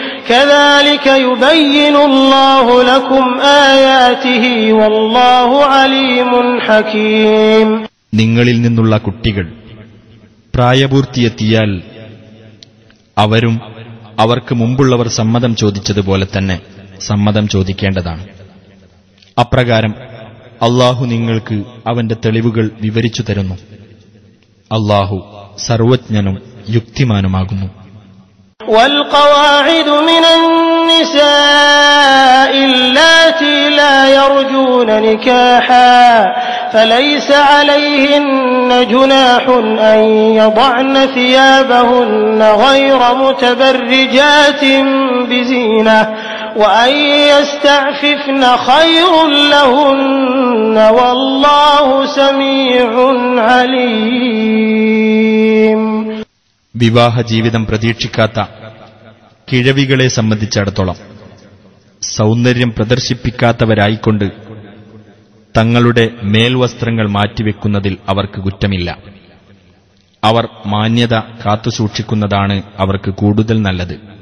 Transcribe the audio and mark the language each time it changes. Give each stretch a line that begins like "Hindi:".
Arabic: كذلك يبين الله لكم آياته والله عليم حكيم.
Malayalam: നിങ്ങളിൽ നിന്നുള്ള കുട്ടികൾ പ്രായപൂർത്തിയെത്തിയാൽ അവരും അവർക്ക് മുമ്പുള്ളവർ സമ്മതം ചോദിച്ചതുപോലെ തന്നെ സമ്മതം ചോദിക്കേണ്ടതാണ്. അപ്രകാരം അല്ലാഹു നിങ്ങൾക്ക് അവന്റെ തെളിവുകൾ വിവരിച്ചു തരുന്നു. അല്ലാഹു സർവജ്ഞനും യുക്തിമാനുമാകുന്നു.
Arabic: والقواعد من النساء اللاتي لا يرجون نكاحا فليس عليهن جناح أن يضعن ثيابهن غير متبرجات بزينة وأن يستعففن خير لهن والله سميع عليم.
Malayalam: വിവാഹ ജീവിതം പ്രതീക്ഷിക്കാത്ത കിഴവികളെ സംബന്ധിച്ചിടത്തോളം സൗന്ദര്യം പ്രദർശിപ്പിക്കാത്തവരായിക്കൊണ്ട് തങ്ങളുടെ മേൽവസ്ത്രങ്ങൾ മാറ്റിവെക്കുന്നതിൽ അവർക്ക് കുറ്റമില്ല. അവർ മാന്യത കാത്തുസൂക്ഷിക്കുന്നതാണ് അവർക്ക് കൂടുതൽ നല്ലത്.